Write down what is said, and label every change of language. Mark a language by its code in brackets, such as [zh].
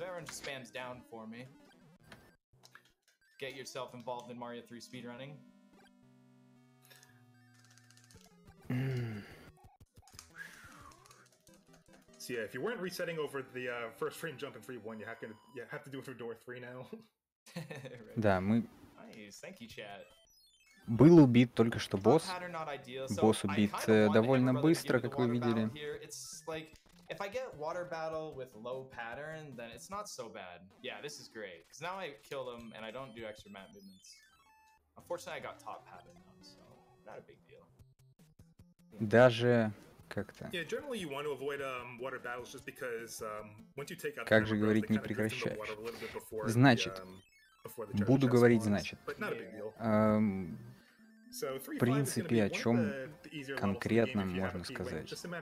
[en] Everyone just spams down for me. Get yourself involved in Mario 3 speedrunning. So yeah, if you weren't resetting over the first frame jump in 3-1, you have to do it for door 3 now. [ru] Да, мы... [en] Nice, thank you, chat. [ru] Был убит только что босс. Босс убит довольно быстро, как вы видели. [en] If I get water battle with low pattern, then it's not so bad. Yeah, this is great. Because now I kill them and I don't do extra map movements. Unfortunately, I got top pattern though, so not a big deal. [ru] Даже как-то. [en] Yeah, generally you want to avoid water battles just because once you take out. [ru] Как же говорить не прекращаешь? Значит, буду говорить, значит. В принципе, о чем конкретно можно сказать?